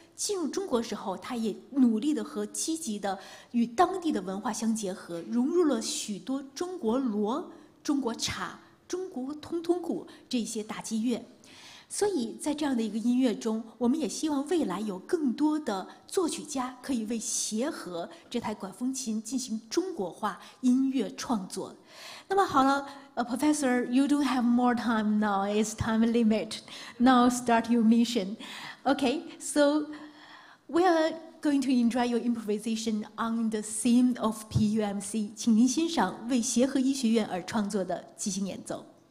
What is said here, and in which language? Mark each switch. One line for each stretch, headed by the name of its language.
Chinese: 进入中国时候，他也努力的和积极的与当地的文化相结合，融入了许多中国锣、中国镲、中国通通鼓这些打击乐。所以在这样的一个音乐中，我们也希望未来有更多的作曲家可以为协和这台管风琴进行中国化音乐创作。那么好了，
English: Professor, you don't have more time now, it's time limit. Now start your mission. Okay, so we are going to enjoy your improvisation on the theme of PUMC.
Chinese: 请您欣赏为协和医学院而创作的即兴演奏。